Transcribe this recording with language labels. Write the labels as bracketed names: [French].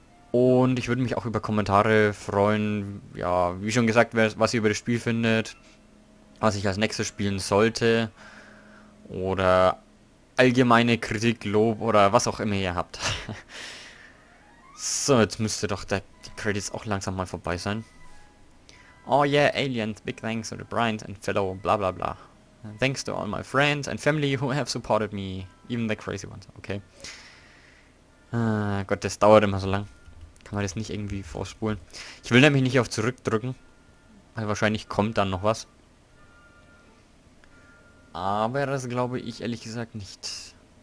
[German] Und ich würde mich auch über Kommentare freuen, ja, wie schon gesagt, was ihr über das Spiel findet, was ich als nächstes spielen sollte, oder allgemeine Kritik, Lob oder was auch immer ihr habt. So, jetzt müsste doch die Credits auch langsam mal vorbei sein. [English] Oh yeah, Aliens, big thanks to the Bryant and fellow blah blah blah. Thanks to all my friends and family who have supported me, even the crazy ones, okay. [German] Gott, das dauert immer so lang. Kann man das nicht irgendwie vorspulen? Ich will nämlich nicht auf zurückdrücken, weil wahrscheinlich kommt dann noch was. Aber das glaube ich ehrlich gesagt nicht.